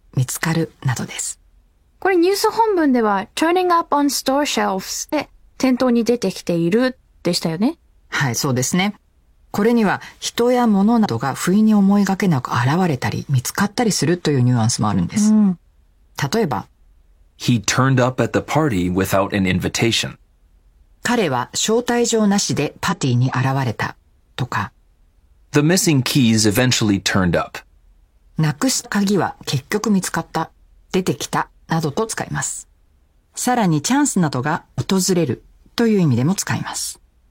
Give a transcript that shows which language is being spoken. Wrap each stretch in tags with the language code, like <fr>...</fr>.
<ja>見つかるなどです。これニュース本文では</ja> <en>turning up on store shelves</en> <ja>で店頭に出てきているでしたよね。はい、そうですね。これには人や物などが不意に思いがけなく現れたり見つかったりするというニュアンスもあるんです。うん、例えば、</ja> <en>He turned up at the party without an invitation.</en> <ja>彼は招待状なしでパーティーに現れたとか、</ja> <en>The missing keys eventually turned up.</en> <ja>なくした鍵は結局見つかった、出てきたなどと使います。さらにチャンスなどが訪れるという意味でも使います。</ja>